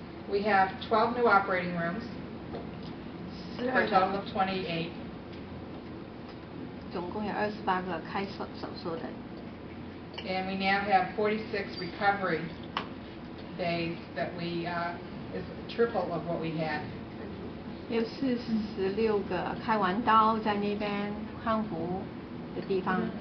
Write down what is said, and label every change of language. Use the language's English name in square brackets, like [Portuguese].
[English] We have 12 new operating rooms for a total of 28. [Chinese] 总共有二十八个开手术的。 [English] And we now have 46 recovery days that we is triple of what we had. [Chinese] 有46个开完刀在那边康复的地方。